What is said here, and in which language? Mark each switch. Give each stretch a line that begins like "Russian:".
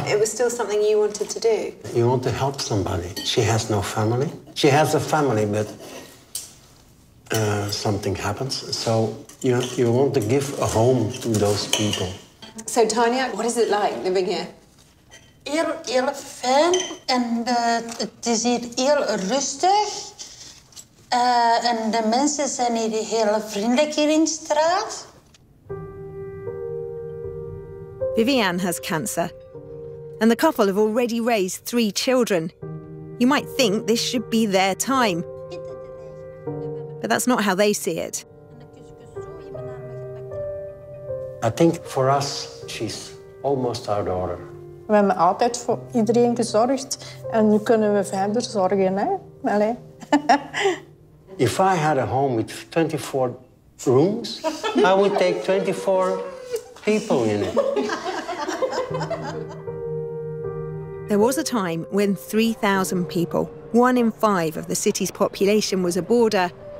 English: It was still something you wanted to do. You want to help somebody. She has no family. She has a family, but something happens. So you want to give a home to those people. So, Tanya, what is it like living here?
Dutch: Heel fijn. En het is hier heel rustig. En de mensen zijn hier heel vriendelijk hier in straat.
English: Vivian has cancer. And the couple have already raised three children. You might think this should be their time. But that's not how they see it. I think for us, she's almost our daughter.
Dutch: We hebben altijd voor iedereen gezorgd. En nu kunnen we verder zorgen, hè? Allee.
English: If I had a home with 24 rooms, I would take 24 people in it. There was a time when 3,000 people, one in five of the city's population, was a boarder.